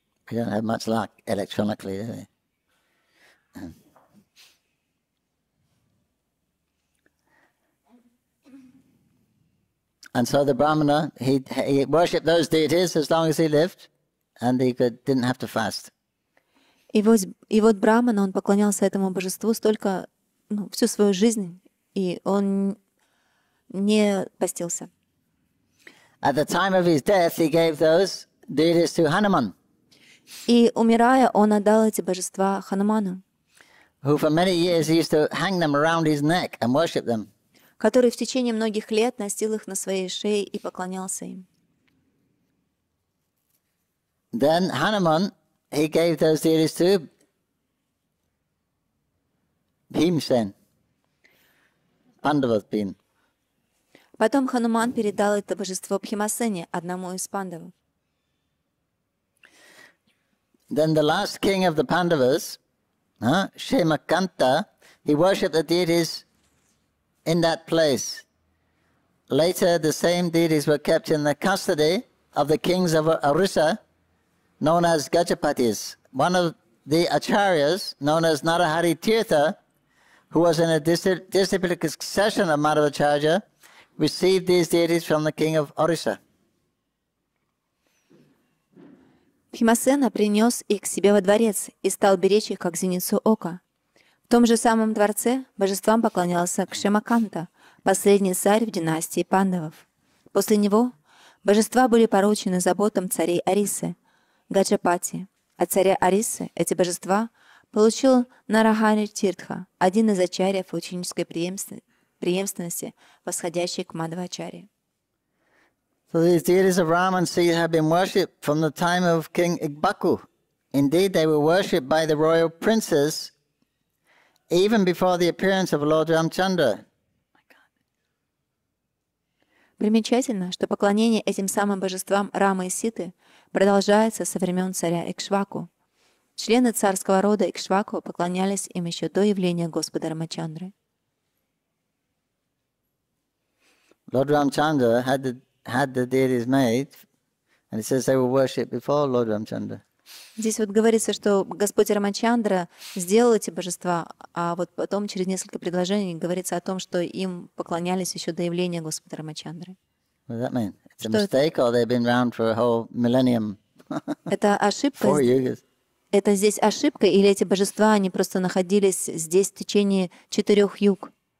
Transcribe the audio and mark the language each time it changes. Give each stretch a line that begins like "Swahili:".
English: We don't have much luck electronically, do we? And so the Brahmana, he worshipped those deities as long as he lived, and he could, didn't have to fast.
Russian: И вот Брахмана, он поклонялся этому божеству столько, ну, всю свою жизнь, и он не постился.
English: At the time of his death, he gave those deities to Hanuman.
Russian: И, умирая, он отдал эти божества Хануману,
English: who for many years he used to hang them around his neck and worship them.
Russian: Который в течение многих лет носил их на своей шее и поклонялся им.
English: Then Hanuman, he gave those deities to Bhimsen, Pandavas Bhim.
Russian: Потом Хануман передал это божество Бхимасене, одному из Пандав.
English: Then the last king of the Pandavas, Shemakanta, he worshipped the deities in that place. Later, the same deities were kept in the custody of the kings of Orissa, known as Gajapatis. One of the acharyas, known as Narahari Tirtha, who was in a disciplic succession of Madhavacharya, received these deities from the king of Orissa.
Russian: Бхимасена принес их к себе во дворец и стал беречь их, как зеницу ока. В том же самом дворце божествам поклонялся Кшемаканта, последний царь в династии Пандавов. После него божества были поручены заботам царей Орисы, Гаджапати. От царя Орисы эти божества получил Нарахари Тиртха, один из ачарьев ученической преемственности, восходящей к Мадхвачарье.
English: So these deities of Rama and Sita have been worshipped from the time of King Igbaku. Indeed, they were worshipped by the royal princes even before the appearance of Lord Ramchandra.
Russian: Примечательно, что поклонение этим самым божествам Рамы и Ситы продолжается со времен царя Икшваку. Члены царского рода Икшваку поклонялись им еще до явления Господа Рамачандры.
English: Lord Ramchandra had the deities made, and it says they were worshipped before Lord Ramchandra.
Russian: Здесь вот говорится, что Господь Рамачандра сделал эти божества, а вот потом через несколько предложений говорится о том, что им поклонялись еще до явления Господа Рамачандры.
English: What does that mean? It's a mistake, or they've been around for a whole millennium?
Russian: Это ошибка.
English: Four yugas.
Russian: Это здесь ошибка, или эти божества они просто находились здесь в течение четырех юг?